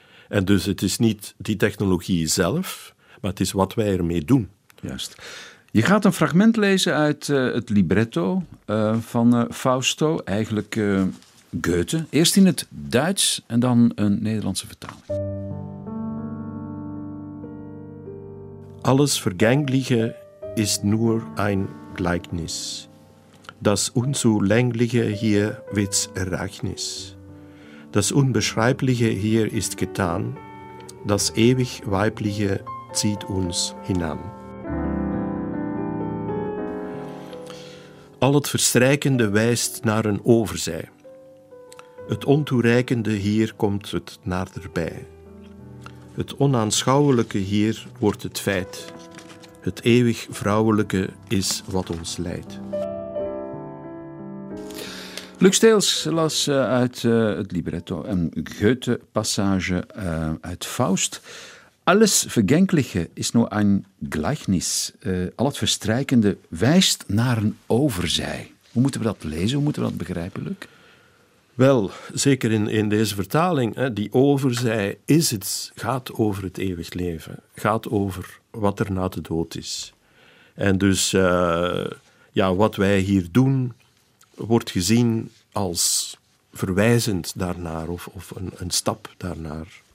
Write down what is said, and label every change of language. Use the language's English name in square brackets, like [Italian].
[Dutch] En dus het is niet die technologie zelf, maar het is wat wij ermee doen. Juist. Je gaat een fragment lezen uit het libretto van Fausto, eigenlijk Goethe. Eerst in het Duits en dan een Nederlandse vertaling. [German] Alles vergängliche is nur ein Gleichnis. Das unzulängliche hier wird's Ereignis. Das unbeschreibliche hier ist getan. Das ewig weibliche zieht uns hinan. [Dutch] Al het verstrijkende wijst naar een overzij. Het ontoereikende hier komt het naderbij. Het onaanschouwelijke hier wordt het feit. Het eeuwig vrouwelijke is wat ons leidt. Luc Steels las uit het libretto een Goethe-passage uit Faust. [German] Alles vergänkliche is nur ein Gleichnis. [Dutch] Al het verstrijkende wijst naar een overzij. Hoe moeten we dat lezen? Hoe moeten we dat begrijpen, Luc? Wel, zeker in deze vertaling, die overzij is het, gaat over het eeuwig leven. Gaat over wat er na de dood is. En dus wat wij hier doen, wordt gezien als verwijzend daarnaar of een stap daarnaar.